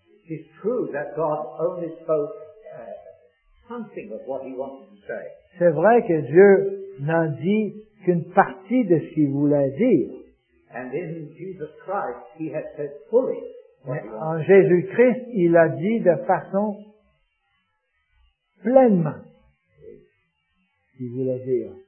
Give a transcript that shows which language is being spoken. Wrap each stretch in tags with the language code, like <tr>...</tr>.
<en>It's true that God only spoke something of what he wanted to say.</en> <fr>C'est vrai que Dieu n'a dit qu'une partie de ce qu'il voulait dire.</fr> <en>And in Jesus Christ, he had said fully.</en> <fr>Mais en Jésus-Christ, il a dit de façon pleinement ce qu'il voulait dire.</fr>